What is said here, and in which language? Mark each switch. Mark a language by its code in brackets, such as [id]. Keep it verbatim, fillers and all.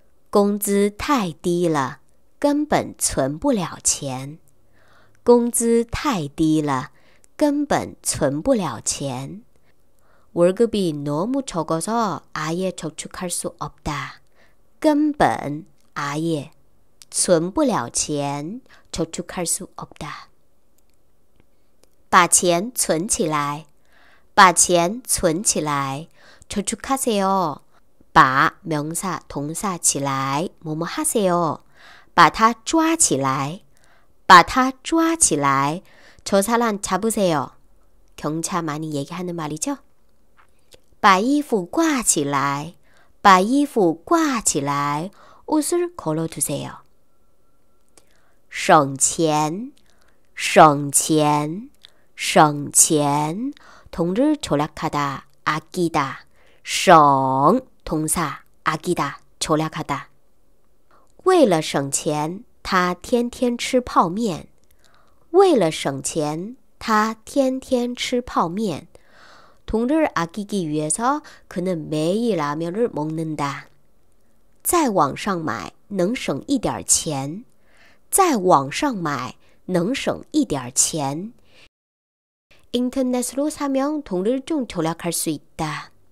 [zh] 工资太低了, 根本存不了钱. 工资太低了, 根本存不了钱. [ko] 월급이 너무 적어서 아예 저축할 수 없다. 根本, 아예, [zh] 存不了钱, [ko] 저축할 수 없다. [zh] 把钱存起来. 把钱存起来, [ko] 저축하세요. 把 명사 동사 起来 뭐뭐 하세요. [zh] 把他抓起来, 把他抓起来, [ko] 저 사람 잡으세요. 경찰 많이 얘기하는 말이죠. [zh] 把衣服挂起来, 把衣服挂起来, [ko] 옷을 걸어두세요. [zh] 省钱, 省钱, 省钱. [ko] 돈을 절약하다, 아끼다. 省 동사, 아끼다, 절약하다. [zh] 为了省钱, 他天天吃泡面。为了省钱，他天天吃泡面. [ko] 돈을 아끼기 위해서 그는 매일 라면을 먹는다. [zh] 在网上买能省一点钱。在网上买能省一点钱. [ko] 인터넷으로 사면 돈을 좀 절약할 수 있다.